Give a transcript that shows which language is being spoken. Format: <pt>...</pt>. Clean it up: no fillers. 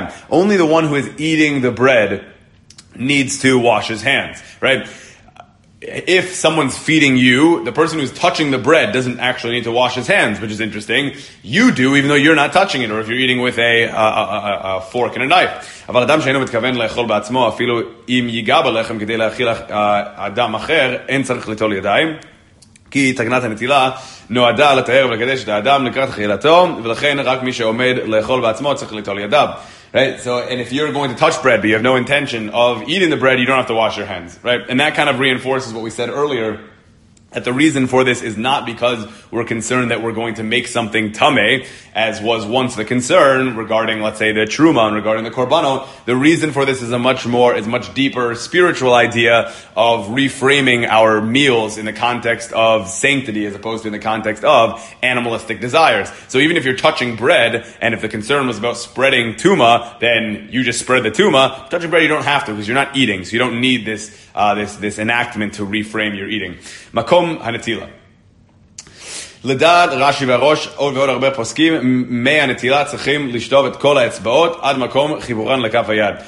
<en>Only the one who is eating the bread needs to wash his hands, right? If someone's feeding you, the person who's touching the bread doesn't actually need to wash his hands, which is interesting. You do, even though you're not touching it, or if you're eating with a fork and a knife.</en> <he>אבל אדם שאינו מתכוון לאכול בעצמו, אפילו אם ייגע בלחם כדי להאכיל אדם אחר, אין צריך ליטול ידיים. כי תקנת הנטילה נועדה לתאר ולקדש את האדם לקראת אכילתו, ולכן רק מי שעומד לאכול בעצמו צריך ליטול ידיו.</he> <en>Right, so, and if you're going to touch bread, but you have no intention of eating the bread, you don't have to wash your hands, right? And that kind of reinforces what we said earlier, that the reason for this is not because we're concerned that we're going to make something tameh, as was once the concern regarding, let's say, the truma and regarding the korbanot. The reason for this is a much deeper spiritual idea of reframing our meals in the context of sanctity as opposed to in the context of animalistic desires. So even if you're touching bread, and if the concern was about spreading tuma, then you just spread the tuma. Touching bread, you don't have to because you're not eating, so you don't need this enactment to reframe your eating.</en> <he>Makom hanetila. לדעת רשי והראש עוד ועוד הרבה פוסקים מהנטילה צריכים לשטוב את כל האצבעות עד מקום חיבורן לכף היד.</he>